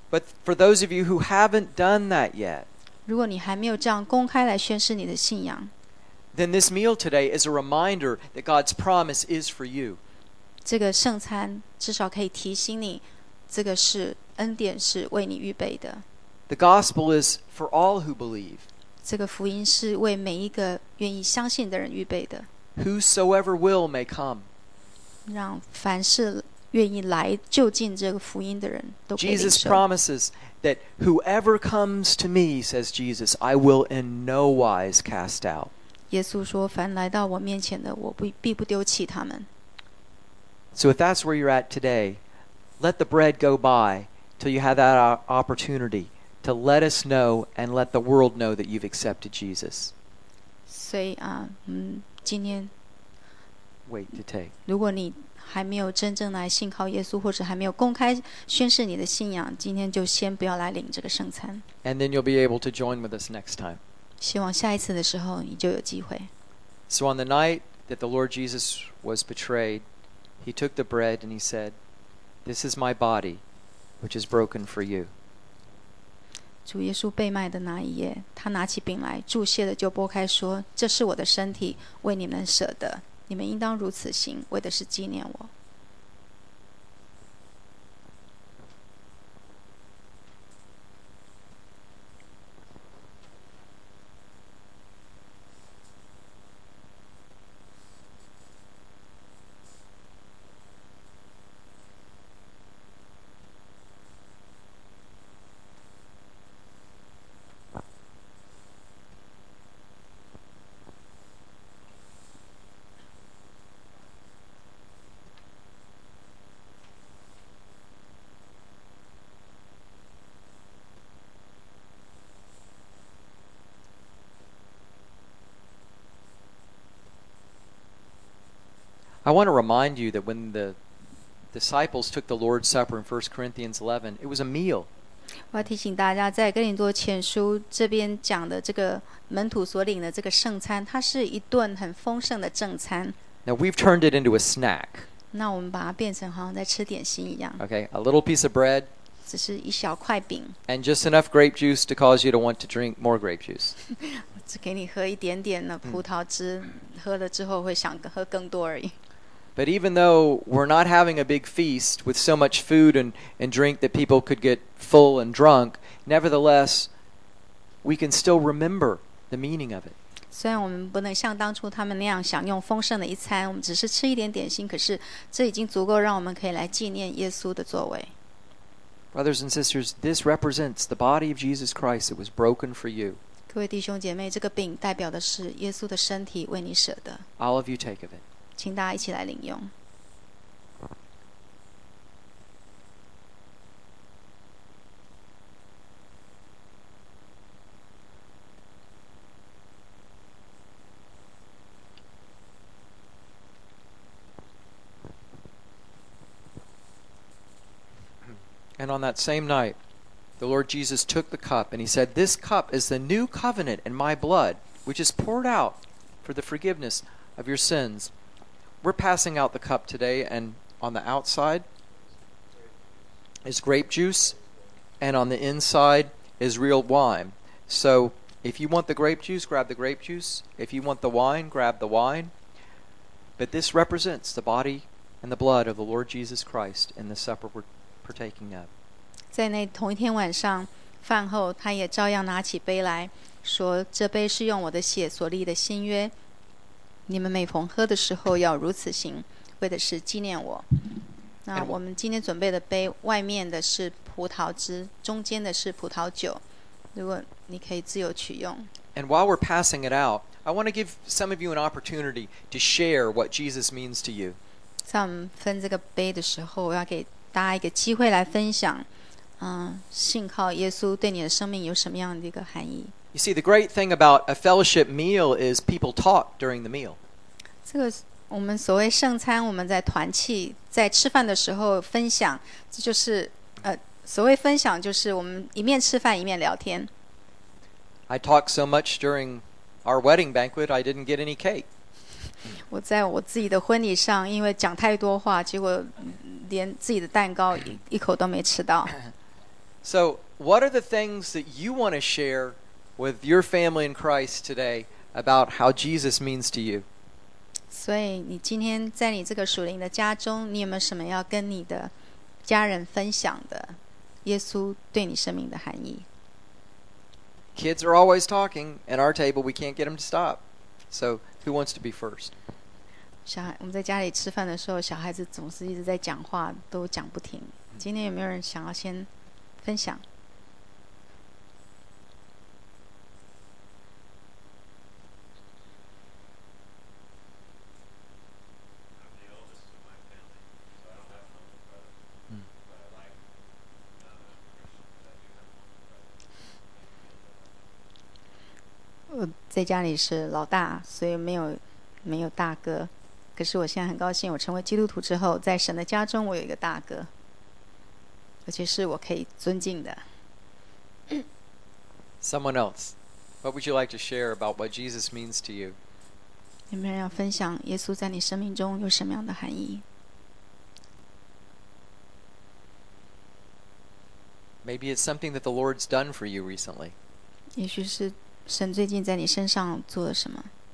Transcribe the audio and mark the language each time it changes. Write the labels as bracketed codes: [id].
[en] But for those of you who haven't done that yet, [zh] 如果你还没有这样公开来宣誓你的信仰， [en] then this meal today is a reminder that God's promise is for you. [zh] 这个圣餐至少可以提醒你，这个是恩典是为你预备的。 [en] The gospel is for all who believe. [zh] 这个福音是为每一个愿意相信的人预备的。 [en] Whosoever will may come. [zh] 让凡事愿意来就近这个福音的人都可以领受。 [en] Jesus promises that whoever comes to me, says Jesus, I will in no wise cast out. [zh] 耶稣说凡来到我面前的我必不丢弃他们。 [en] So if that's where you're at today, let the bread go by till you have that opportunity to let us know and let the world know that you've accepted Jesus. [zh] 所以今天 [en] wait to take. [zh] 如果你还没有真正来信靠耶稣，或者还没有公开宣誓你的信仰，今天就先不要来领这个圣餐。 [en] And then you'll be able to join with us next time. [zh] 希望下一次的时候你就有机会。 [en] So on the night that the Lord Jesus was betrayed, he took the bread and he said, "This is my body, which is broken for you." [zh] 主耶稣被卖的那一夜，他拿起饼来，祝谢了就拨开，说：“这是我的身体，为你们舍的。” 你们应当如此行，为的是纪念我。 [en] I want to remind you that when the disciples took the Lord's Supper in 1 Corinthians 11, it was a meal. [zh] 我要提醒大家，在哥林多前书这边讲的这个门徒所领的这个圣餐，它是一顿很丰盛的正餐。 [en] Now we've turned it into a snack. [zh] 那我们把它变成好像在吃点心一样。 [en] Okay, a little piece of bread. [zh] 只是一小块饼。 [en] And just enough grape juice to cause you to want to drink more grape juice. [zh] 只给你喝一点点的葡萄汁，喝了之后会想喝更多而已。 [en] But even though we're not having a big feast with so much food and drink that people could get full and drunk, nevertheless, we can still remember the meaning of it. [zh] 虽然我们不能像当初他们那样享用丰盛的一餐，我们只是吃一点点心，可是这已经足够让我们可以来纪念耶稣的作为。 [en] Brothers and sisters, this represents the body of Jesus Christ that was broken for you. [zh] 各位弟兄姐妹，这个饼代表的是耶稣的身体为你舍的。 [en] All of you take of it. [zh] 请大家一起来领用。 [en] And on that same night, the Lord Jesus took the cup and he said, "This cup is the new covenant in my blood, which is poured out for the forgiveness of your sins." We're passing out the cup today, and on the outside is grape juice, and on the inside is real wine. So if you want the grape juice, grab the grape juice. If you want the wine, grab the wine. But this represents the body and the blood of the Lord Jesus Christ in the supper we're partaking of. [zh] 在那同一天晚上饭后，他也照样拿起杯来说，这杯是用我的血所立的新约。你们每逢喝的时候要如此行，为的是纪念我。那我们今天准备的杯，外面的是葡萄汁，中间的是葡萄酒，如果你可以自由取用。 [en] And while we're passing it out, I want to give some of you an opportunity to share what Jesus means to you. [zh] 在我们分这个杯的时候，我要给大家一个机会来分享，信靠耶稣对你的生命有什么样的一个含义。 [en] You see, the great thing about a fellowship meal is people talk during the meal. [zh] 这个我们所谓圣餐，我们在团契，在吃饭的时候分享，这就是所谓分享，就是我们一面吃饭一面聊天。 [en] I talked so much during our wedding banquet, I didn't get any cake. [zh] 我在我自己的婚礼上，因为讲太多话，结果连自己的蛋糕一口都没吃到。 [en] So, what are the things that you want to share? With your family in Christ today about how Jesus means to you. [zh] 所以你今天在你这个属灵的家中，你有没有什么要跟你的家人分享的耶稣对你生命的含义？ [en] Kids are always talking at our table. We can't get them to stop. So who wants to be first? [zh] 小孩，我们在家里吃饭的时候，小孩子总是一直在讲话，都讲不停。今天有没有人想要先分享？在家里是老大，所以没有大哥。可是我现在很高兴，我成为基督徒之后，在神的家中，我有一个大哥，而且是我可以尊敬的。 [en] Someone else, what would you like to share about what Jesus means to you? [zh] 有没有人要分享耶稣在你生命中有什么样的含义？ [en] Maybe it's something that the Lord's done for you recently. [zh] 也许是。神最近在你身上做了什么？